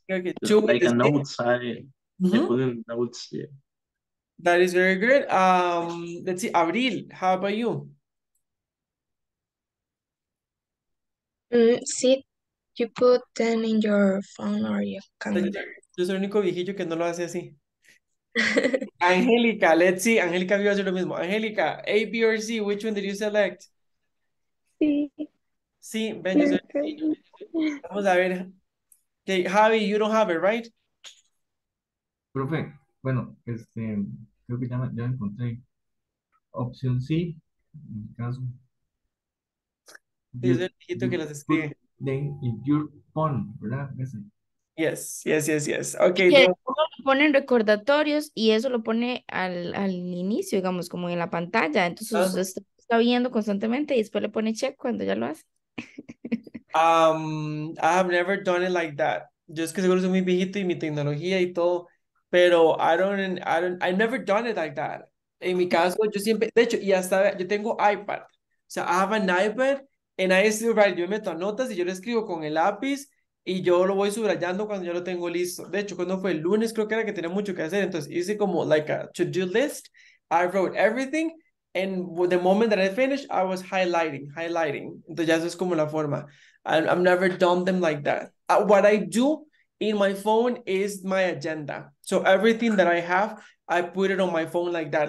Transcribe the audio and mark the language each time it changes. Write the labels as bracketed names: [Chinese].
[English] That is very good. Let's see, Abril, how about you? See, you put them in your phone or your calendar. [Spanish] Yo soy el único viejillo que no lo hace así. Angélica, [English] let's see. [Spanish] Angélica vio hacer lo mismo. [English] Angélica, A, B, or C, which one did you select? [Spanish] Sí, ven, yo soy el viejillo. Vamos a ver. [English] Okay, Javi, you don't have it, right? [Spanish] Profe, bueno, creo que ya encontré opción C, en mi caso. Es el viejito que las escribe. [English] Then in your phone, [Spanish] ¿verdad? Ese. [English] Yes. Okay. [Spanish] Ponen recordatorios y eso lo pone al inicio, digamos, como en la pantalla. Entonces, uh-huh. Usted está viendo constantemente y después le pone check cuando ya lo hace. [English] I have never done it like that. [Spanish] Yo es que seguro soy muy viejito y mi tecnología y todo, pero [English] I've never done it like that. [Spanish] En mi caso, yo siempre, de hecho, y hasta yo tengo iPad. O sea, [English] I have an iPad and I still write. [Spanish] Yo meto notas y yo lo escribo con el lápiz y yo lo voy subrayando cuando yo lo tengo listo. De hecho, cuando fue el lunes, creo que era que tenía mucho que hacer. Entonces hice como [English] like a to-do list. I wrote everything. And the moment that I finished, I was highlighting. [Spanish] Entonces, ya eso es como la forma. [English] I've never done them like that. What I do in my phone is my agenda. So everything that I have, I put it on my phone like that.